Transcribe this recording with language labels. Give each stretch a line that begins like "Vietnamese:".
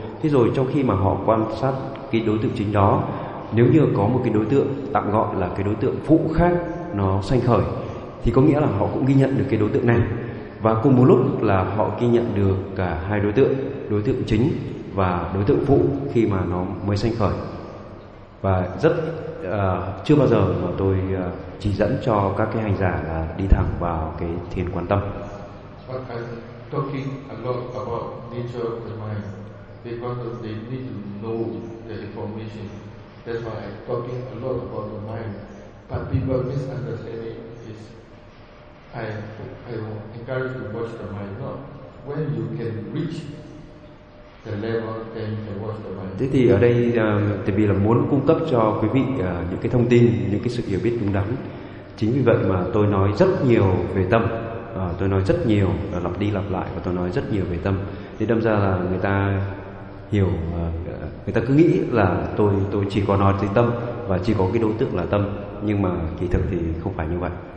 Vietnamese: Thế rồi trong khi mà họ quan sát cái đối tượng chính đó, nếu như có một cái đối tượng tạm gọi là cái đối tượng phụ khác nó sanh khởi, thì có nghĩa là họ cũng ghi nhận được cái đối tượng này, và cùng một lúc là họ ghi nhận được cả hai đối tượng chính và đối tượng phụ khi mà nó mới sanh khởi. Và rất chưa bao giờ mà tôi chỉ dẫn cho các cái hành giả là đi thẳng vào cái thiền quán tâm.
English: But I'm talking a lot about nature of the mind because they need to know the information. That's why I'm talking a lot about the mind. But people misunderstand it is I encourage to watch the mind. Not when you can reach the level, then you can watch the mind.
Vietnamese: Thế thì ở đây tại vì là muốn cung cấp cho quý vị những cái thông tin, những cái sự hiểu biết đúng đắn. Chính vì vậy mà tôi nói rất nhiều về tâm, tôi nói rất nhiều, lặp đi lặp lại, và tôi nói rất nhiều về tâm. Thế đâm ra là người ta hiểu, người ta cứ nghĩ là tôi chỉ có nói về tâm và chỉ có cái đối tượng là tâm, nhưng mà kỳ thực thì không phải như vậy.